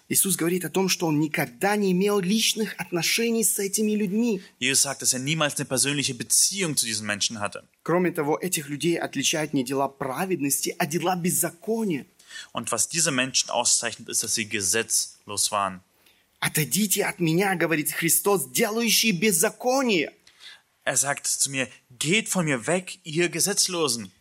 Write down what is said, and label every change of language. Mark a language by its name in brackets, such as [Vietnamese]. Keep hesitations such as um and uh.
[Russian] Иисус говорит о том, что Он никогда не имел личных отношений с этими людьми. [German] Иисус sagt, dass er niemals eine persönliche Beziehung zu diesen Menschen hatte. [Russian] Кроме того, этих людей отличают не дела праведности, а дела беззакония. [German] Und was diese Menschen auszeichnet, ist, dass sie gesetzlos waren. [Russian] Отойдите от меня, говорит Христос, делающий беззаконие. [German] Er sagt zu mir, geht von mir weg, ihr Gesetzlosen.